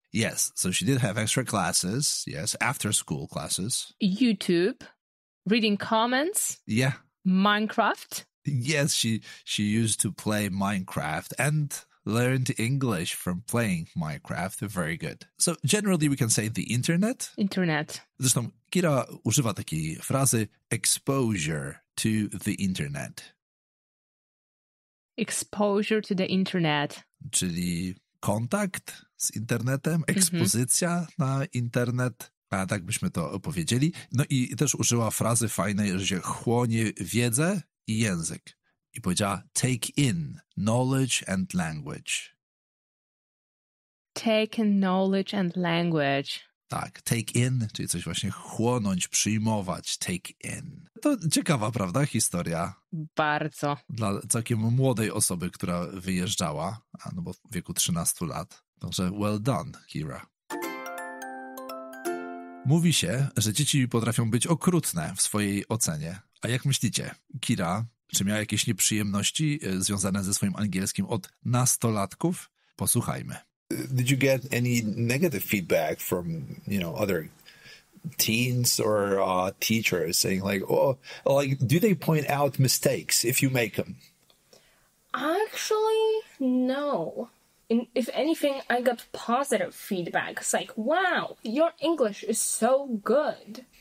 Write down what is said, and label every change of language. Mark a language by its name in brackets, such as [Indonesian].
[English] Yes, so she did have extra classes. Yes, after school classes. YouTube. Reading comments. Yeah. Minecraft. Yes, she used to play Minecraft and learned English from playing Minecraft. Very good. So generally we can say the internet. Internet. [Polish] Zresztą Kira używa takiej frazy [English] exposure to the internet. Exposure to the internet. [Polish] Czyli kontakt z internetem, ekspozycja mm-hmm. na internet, a tak byśmy to opowiedzieli. No i też użyła frazy fajnej, że się chłonie wiedzę i język. I powiedziała [English] take in knowledge and language. Take in knowledge and language. [Polish] Tak, take in, czyli coś właśnie chłonąć, przyjmować, take in. To ciekawa, prawda, historia. Bardzo. Dla całkiem młodej osoby, która wyjeżdżała, no bo w wieku 13 lat. [English] Także well done, Kira. [Polish] Mówi się, że dzieci potrafią być okrutne w swojej ocenie. A jak myślicie, Kira, czy miała jakieś nieprzyjemności związane ze swoim angielskim od nastolatków? Posłuchajmy. [English] Did you get any negative feedback from, you know, other teens or teachers saying like, oh, like, do they point out mistakes if you make them? Actually, no. If anything, I got positive feedback. It's like, wow, your English is so good.